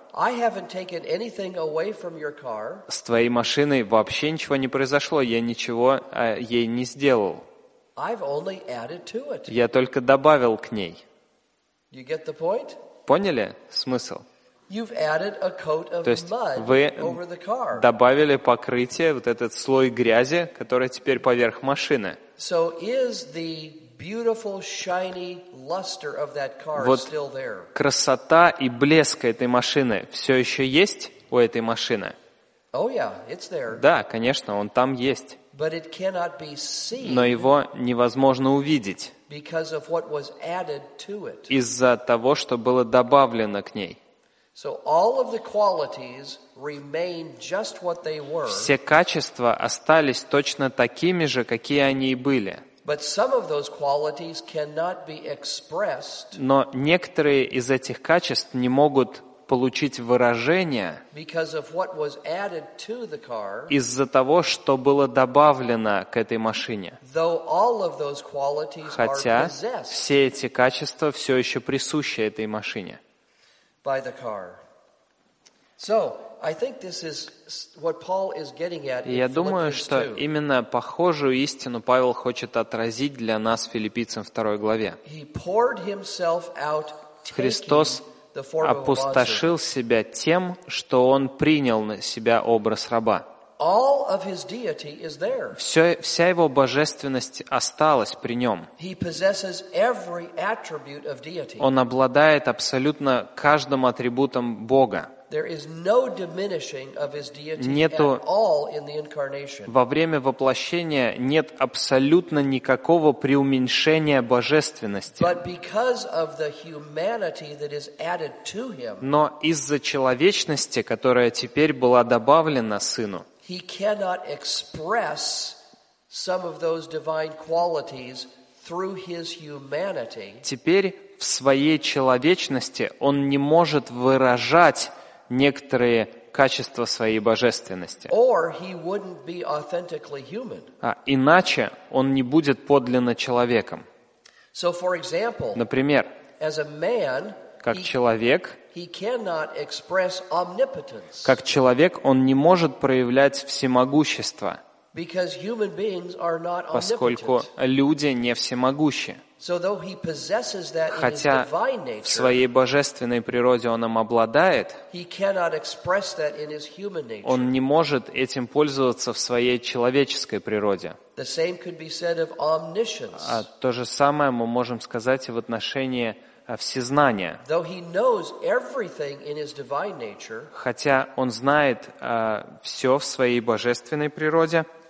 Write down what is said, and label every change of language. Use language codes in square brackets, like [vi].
[en] I haven't taken anything away from your car. [ru] С твоей машиной вообще ничего не произошло, я ничего ей не сделал. [en] I've only added to it. [ru] Я только добавил к ней». [en] You get the point? [ru] Поняли смысл? [en] You've added a coat of mud over the car. [ru] То есть вы добавили покрытие, вот этот слой грязи, который теперь поверх машины. [en] So is the beautiful shiny luster of that car still there? [ru] Вот красота и блеск этой машины все еще есть у этой машины? [en] Oh yeah, it's there. [ru] Да, конечно, он там есть. [en] But it cannot be seen. [ru] Но его невозможно увидеть. [en] Because of what was added to it. [ru] Из-за того, что было добавлено к ней. [en] So all of the qualities remain just what they were. [ru] Все качества остались точно такими же, какие они и были. [en] But some of those qualities cannot be expressed. [ru] Но некоторые из этих качеств не могут получить выражение. [en] Because of what was added to the car. [ru] Из-за того, что было добавлено к этой машине. [en] Though all of those qualities are possessed. [ru] Хотя все эти качества все еще присущи этой машине. [en] By the car. So I think this is what Paul is getting at. [ru] Я думаю, что именно похожую истину Павел хочет отразить для нас в Филиппийцам 2 главе. [en] He poured himself out, [ru] Христос опустошил себя тем, что он принял на себя образ раба. [en] All of his deity is there. [ru] Вся его божественность осталась при нем. [en] He possesses every attribute of deity. [ru] Он обладает абсолютно каждым атрибутом Бога. [en] There is no diminishing of his deity at all in the incarnation. [ru] Во время воплощения нет абсолютно никакого преуменьшения божественности. [en] But because of the humanity that is added to him. [ru] Но из-за человечности, которая теперь была добавлена сыну. [en] He cannot express some of those divine qualities through his humanity. [ru] Теперь в своей человечности он не может выражать некоторые качества своей божественности. [en] Or he wouldn't be authentically human. [ru] А иначе он не будет подлинно человеком. [en] So, for example, [ru] например, [en] as a man, [ru] как человек, [en] he cannot express omnipotence. [ru] Как человек, он не может проявлять всемогущество. [en] Because human beings are not omnipotent. [ru] Поскольку люди не всемогущи. [en] So though he possesses that in his divine nature, [ru] в своей божественной природе он им обладает, [en] he cannot express that in his human nature. [ru] Он не может этим пользоваться в своей человеческой природе. [en] The same could be said of omniscience. [ru] А то же самое мы можем сказать и в отношении всезнания. [en] Though he knows everything in his divine nature, [ru] хотя он знает все в своей божественной природе,